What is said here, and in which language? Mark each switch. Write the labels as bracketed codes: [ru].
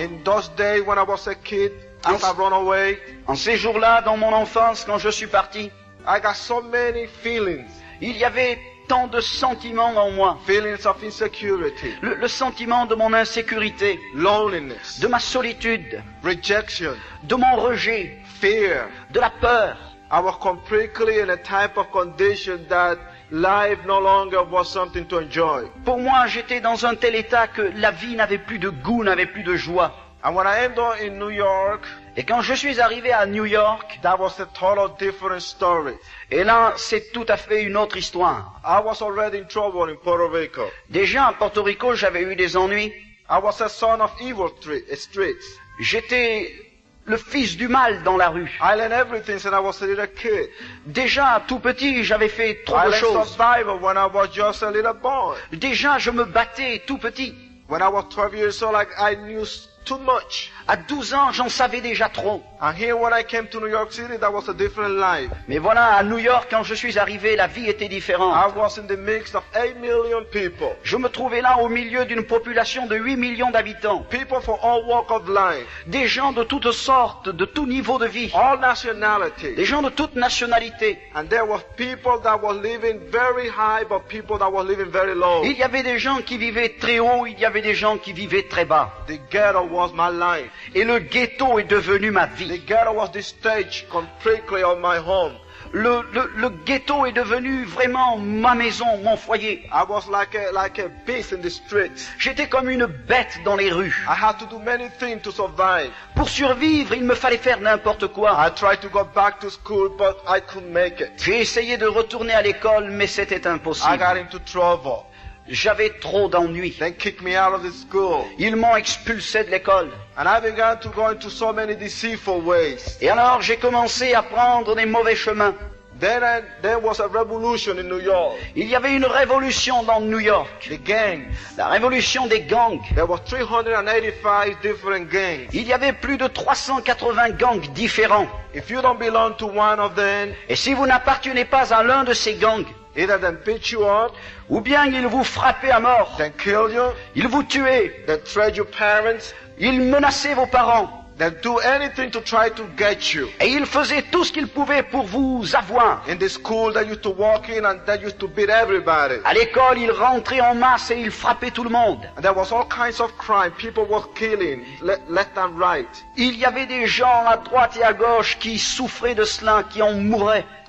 [en] In those days when I was a kid, if I run away. [fr] En ces jours-là, dans mon enfance, quand je suis parti, [en] I got so many feelings. [fr] Il y avait tant de sentiments en moi. [en] Feelings of insecurity. [fr] Le sentiment de mon insécurité. [en] Loneliness. [fr] De ma solitude. [en] Rejection. [fr] De mon rejet. [en] Fear. [fr] De la peur. [en] I was completely in a type of condition that life no longer was something to enjoy. [fr] Pour moi, j'étais dans un tel état que la vie n'avait plus de goût, n'avait plus de joie. [en] And when I ended in New York, [fr] et quand je suis arrivé à New York, [en] that was a totally different story. [fr] Et là, c'est tout à fait une autre histoire. [en] I was already in trouble in Puerto Rico. [fr] Déjà à Porto Rico, j'avais eu des ennuis. [en] I was a son of evil streets. [fr] J'étais le fils du mal dans la rue. [en] I learned everything since I was a little kid. [fr] Déjà, tout petit, j'avais fait trop de choses. [en] I learned survival when I was just a little boy. [fr] Déjà, je me battais tout petit. [en] When I was 12 years old, like, I knew too much. [fr] À 12 ans, j'en savais déjà trop. [en] And here when I came to New York City, that was a different life. [fr] Mais voilà, à New York, quand je suis arrivé, la vie était différente. [en] I was in the mix of 8 million people. [fr] Je me trouvais là au milieu d'une population de 8 millions d'habitants. [en] People from all walk of life. [fr] Des gens de toutes sortes, de tout niveau de vie. [en] All nationality. [fr] Des gens de toute nationalité. [en] And there were people that were living very high, but people that were living very low. [fr] Il y avait des gens qui vivaient très haut, il y avait des gens qui vivaient très bas. [en] The ghetto was my life. [fr] Et le ghetto est devenu ma vie. [en] The ghetto was the stage completely of my home. [fr] Le ghetto est devenu vraiment ma maison, mon foyer. [en] I was like a beast in the streets. [fr] J'étais comme une bête dans les rues. [en] I had to do many things to survive. [fr] Pour survivre, il me fallait faire n'importe quoi. [en] I tried to go back to school, but I couldn't make it. [fr] J'ai essayé de retourner à l'école, mais c'était impossible. [en] I got into trouble. [fr] J'avais trop d'ennuis. [en] They kicked me out of the school. [fr] Ils m'ont expulsé de l'école. [en] And I began to go into so many deceitful ways. [fr] Et alors j'ai commencé à prendre des mauvais chemins. [en] There was a revolution in New York. [fr] Il y avait une révolution dans New York. [en] The gangs. [fr] La révolution des gangs. [en] There were 385 different gangs. [fr] Il y avait plus de 380 gangs différents. [en] If you don't belong to one of them, [fr] et si vous n'appartenez pas à l'un de ces gangs, [en] either they beat you up, [fr] ou bien ils vous frappaient à mort, [en] they kill you, [fr] ils vous tuaient, [en] they threat your parents, [fr] ils menaçaient vos parents, [en] they do anything to try to get you. [fr] Et ils faisaient tout ce qu'ils pouvaient pour vous avoir. [en] In the school they used to walk in and they used to beat everybody. [fr] À l'école, ils rentraient en masse et ils frappaient tout le monde. [en] And there was all kinds of crime. People were killing left and right. [fr] Il y avait des gens à droite et à gauche qui souffraient de cela, qui en mouraient.